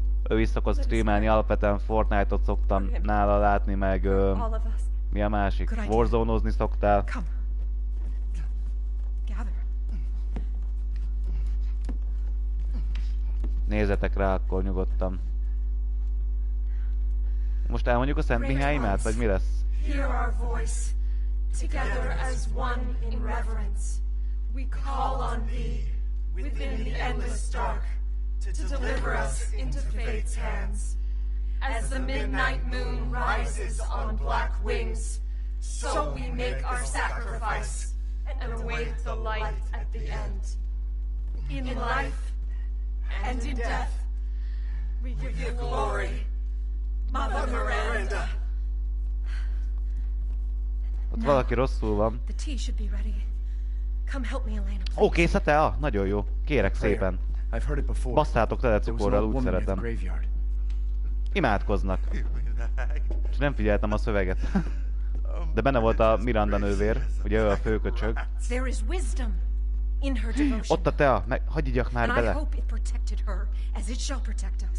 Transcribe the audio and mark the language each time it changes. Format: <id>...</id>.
<hu>Ő is szokott streamelni, alapvetően Fortnite-ot szoktam nála látni, meg mi a másik? Warzone-ozni szoktál. Nézzetek rá, akkor nyugodtan. Most elmondjuk a Szent Mihálymát, vagy mi lesz?</hu> <en>Hear our voice, together as one in reverence. We call on thee, within the endless dark, to deliver us into fate's hands. As the midnight moon rises on black wings, so we make our sacrifice, and await the light at the end. In life, and in death, we give you glory, Mother Miranda.</en> <hu>Ott valaki rosszul van.</hu> <en>The tea should be ready. Come help me, Elena.</en> <hu>Ó, kész a tea? Nagyon jó. Kérek szépen.</hu> <en>I've heard it before.</en> <hu>Basztátok tele cukorral, úgy szeretem. Imádkoznak. És nem figyeltem a szöveget. De benne volt a Miranda nővér, ugye ő a főköcsög.</hu> <en>There is wisdom. In her devotion.</en> <hu>Ott a tea, meg hagyj igyak már bele.</hu> <en>I hope it protected her, as it shall protect us.</en>